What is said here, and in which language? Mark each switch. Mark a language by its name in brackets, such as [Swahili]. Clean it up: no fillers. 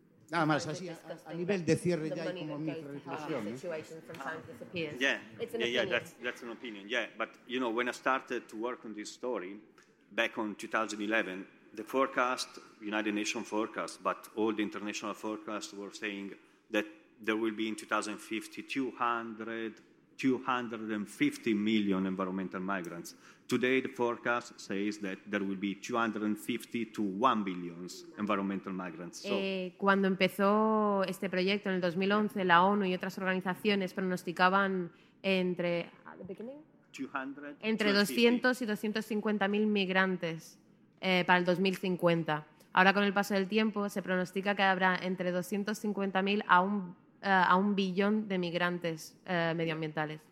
[Spanish] Nada más, así a nivel de cierre ya y como mi reflexión. [English] That's an opinion. Yeah, but you know, when I started to work on this story back on 2011, the forecast, United Nations forecast, but all the international forecasts were saying that there will be in 2050 250 million environmental migrants. Today, the forecast says that there will be 250 to 1 billion environmental migrants. So, [Spanish] cuando empezó este proyecto en el 2011, la ONU y otras organizaciones pronosticaban entre 200 y 250 mil migrantes para el 2050. Ahora, con el paso del tiempo, se pronostica que habrá entre 250 mil a un billón de migrantes medioambientales.